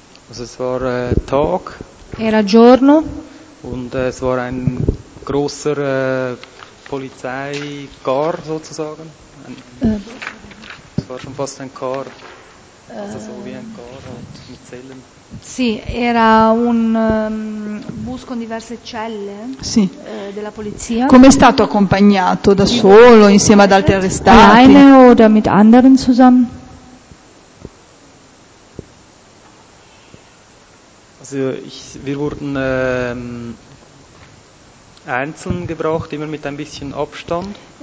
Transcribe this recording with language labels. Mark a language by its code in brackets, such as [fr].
[de] Also es war Tag. [it] Era giorno. [de] Und es war ein großer Polizeigar sozusagen. Es war schon fast ein Car. Also so wie ein Car und mit Zellen. [it] Sì, era un bus con diverse celle, sì. Della polizia. Come è stato accompagnato, da solo, insieme ad altri arrestati? [de] Alleine oder mit anderen zusammen? Also wir wurden einzeln gebracht, immer mit ein bisschen Abstand.